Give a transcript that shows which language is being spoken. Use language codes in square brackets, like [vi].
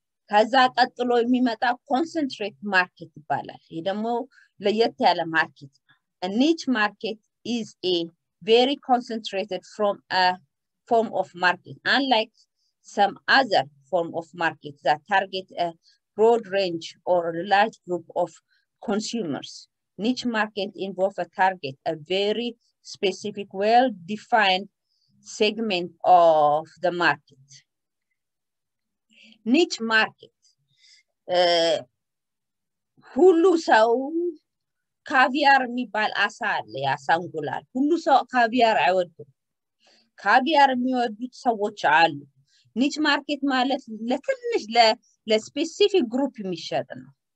[am] ከዛ ቀጥሎ የሚመጣ ኮንሰንትሬት ማርኬት ይባላል። ይሄ ደግሞ ለየት ያለ ማርኬት ነው። [en] ኒች ማርኬት ኢዝ ኤ very concentrated from a form of market unlike some other form of market that target a broad range or a large group of consumers. Niche market involve a target a very specific well defined segment of the market. [am] Niche market hulu sau ካቪያር የሚባል አሳ አለ፣ የአሳ እንቁላል። ሁሉ ሰው ካቪያር አይወድም። ካቪያር የሚወዱት ሰዎች አሉ። ኒች ማርኬት ማለት ለትንሽ ለስፔሲፊክ ግሩፕ የሚሸጥ ነው።